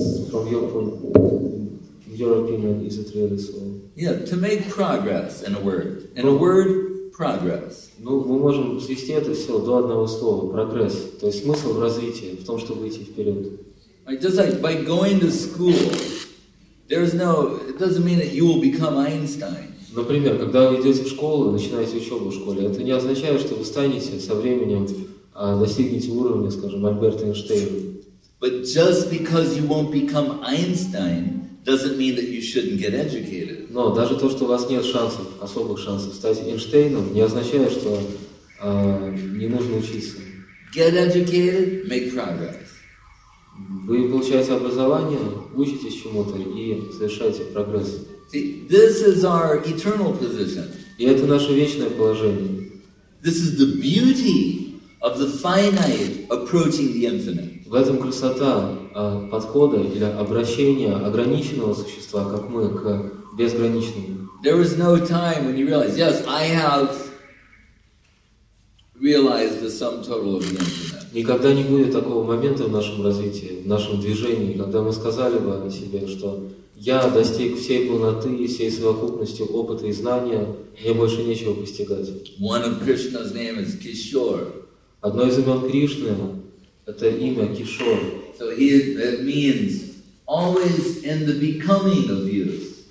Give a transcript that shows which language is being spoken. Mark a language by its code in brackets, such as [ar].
[en] From your opinion, is it really so? Yeah, to make progress, in a word. In a word, progress. [ru] Ну, мы можем свести это все до одного слова, прогресс. То есть смысл в развитии, в том, чтобы идти вперед. [en] Just like by going to school, there's no, it doesn't mean that you will become Einstein. [ru] Например, когда вы идете в школу, начинаете учебу в школе, это не означает, что вы станете со временем, достигнете уровня, скажем, Альберта Эйнштейна. [en] But just because you won't become Einstein doesn't mean that you shouldn't get educated. [ru] Но даже то, что у вас нет шансов, особых шансов стать Эйнштейном, не означает, что не нужно учиться. [en] Get educated, make progress. [ru] Вы получаете образование, учитесь чему-то и совершаете прогресс. [en] See, this is our eternal position. [ru] И это наше вечное положение. [en] This is the beauty of the finite approaching the infinite. [ru] В этом красота подхода или обращения ограниченного существа, как мы, к безграничному. [en] There is no time when you realize, yes, I have realized the sum total of the infinite. [ru] Никогда не будет такого момента в нашем развитии, в нашем движении, когда мы сказали бы о себе, что я достиг всей полноты, всей совокупности опыта и знания, мне больше нечего постигать. [en] One of Krishna's name is Kishore. [ru] Одно из имен Кришны — это имя Кишор. [en] So it means always in the becoming of youth.